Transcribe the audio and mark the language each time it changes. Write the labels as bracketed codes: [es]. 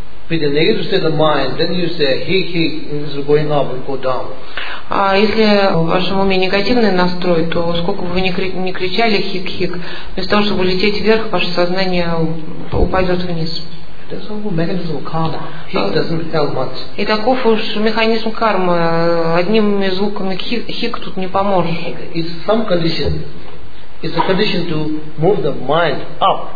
[en] With the negative state of mind, then you say, hik, and it's going up and go down. [ru] А если в вашем уме негативный настрой, то сколько бы вы ни кричали хик, вместо того, чтобы лететь вверх, ваше сознание упадет вниз. [en] That's all the mechanism of karma. Hik doesn't help much. [ru] И таков уж механизм кармы. Одним звуком хик тут не поможешь. [en] It's some condition. It's a condition to move the mind up.